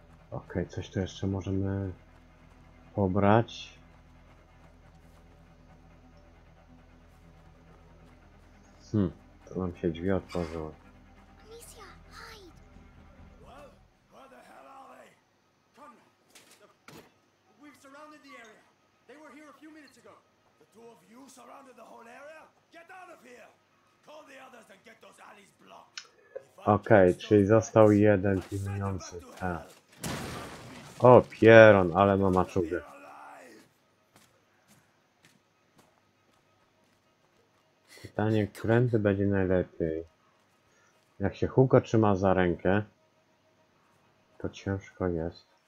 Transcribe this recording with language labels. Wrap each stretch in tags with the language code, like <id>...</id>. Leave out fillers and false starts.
<pl>Okej, coś tu jeszcze możemy... pobrać. To nam się drzwi otworzyły.</pl> <en>Alicia, hide. Well, where the hell are they? Come now. We've surrounded the area. They were here a few minutes ago. The two of you surrounded the whole area? Get out of here! Call the others and get those alleys blocked.</en> <pl>Okej, czyli został jeden pilnujący. O, pieron, ale ma maczugę. Pytanie, kręty będzie najlepiej. Jak się Hugo trzyma za rękę, to ciężko jest.</pl>